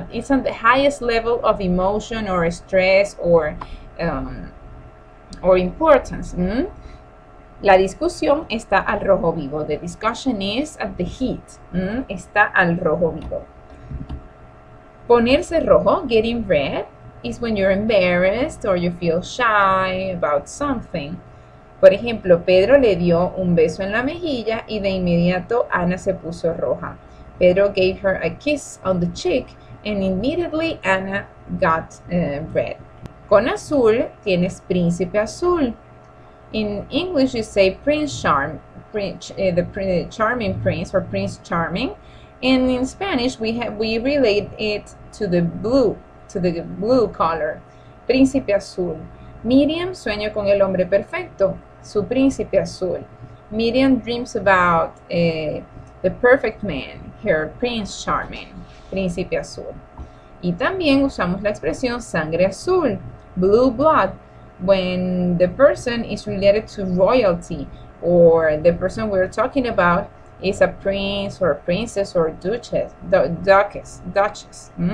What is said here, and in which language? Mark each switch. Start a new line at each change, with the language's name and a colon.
English: It's on the highest level of emotion or stress or importance.
Spanish: La discusión está al rojo vivo.
English: The discussion is at the heat.
Spanish: Está al rojo vivo. Ponerse rojo,
English: getting red, is when you're embarrassed or you feel shy about something.
Spanish: Por ejemplo, Pedro le dio un beso en la mejilla y de inmediato Ana se puso roja.
English: Pedro gave her a kiss on the cheek and immediately Ana got red.
Spanish: Con azul tienes príncipe azul.
English: In English, you say prince charm, the charming prince or prince charming. And in Spanish, we relate it to the blue color.
Spanish: Príncipe azul. Miriam sueña con el hombre perfecto, su príncipe azul.
English: Miriam dreams about the perfect man, her prince charming, príncipe azul.
Spanish: Y también usamos la expresión sangre azul,
English: blue blood, when the person is related to royalty, or the person we're talking about is a prince or a princess or duchess, duchess.